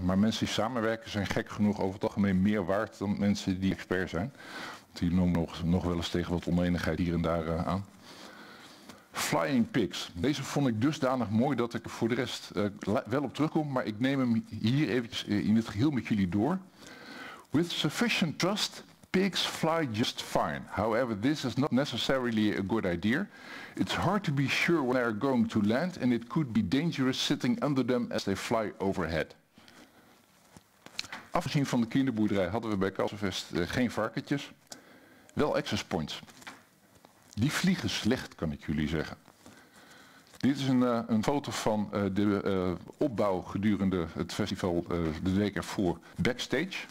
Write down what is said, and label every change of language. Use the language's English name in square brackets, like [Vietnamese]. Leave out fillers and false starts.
[Dutch] Maar mensen die samenwerken zijn gek genoeg over het algemeen meer waard dan mensen die expert zijn. Want die noemen nog wel eens tegen wat oneenigheid hier en daar aan. Flying Pigs. Deze vond ik dusdanig mooi dat ik voor de rest wel op terugkom. Maar ik neem hem hier eventjes in het geheel met jullie door. [English] With sufficient trust, pigs fly just fine. However, this is not necessarily a good idea. It's hard to be sure when they are going to land and it could be dangerous sitting under them as they fly overhead. [Dutch] Afgezien van de kinderboerderij hadden we bij Kassenvest geen varkentjes. Wel access points. Die vliegen slecht, kan ik jullie zeggen. Dit is een foto van de opbouw gedurende het festival de week ervoor backstage.